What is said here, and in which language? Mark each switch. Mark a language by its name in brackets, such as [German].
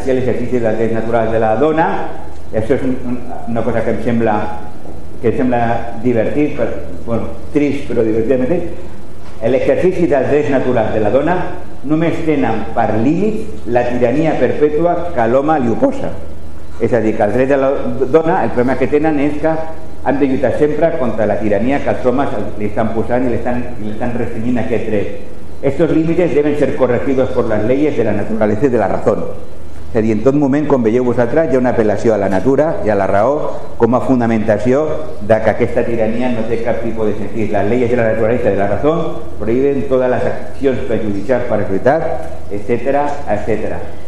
[Catalan] Així, l'exercici dels drets naturals de la dona, i això és una cosa que em sembla divertit, bueno, trist, però divertidament, l'exercici dels drets naturals de la dona només tenen per límit la tirania perpètua que l'home li oposa. És a dir, que els drets de la dona, el problema que tenen és que han de lluitar sempre contra la tirania que els homes li estan posant i li estan restringint aquest dret. [Spanish] Estos límites deben ser corregidos por las leyes de la naturaleza y de la razón. [Catalan] És a dir, en tot moment, com veieu vosaltres, hi ha una apel·lació a la natura i a la raó com a fundamentació de que aquesta tirania no té cap tipus de sentit. [Spanish] Les leyes de la naturaleza y de la razón prohíben todas las acciones perjudiciales para la libertad, etcétera, etcétera.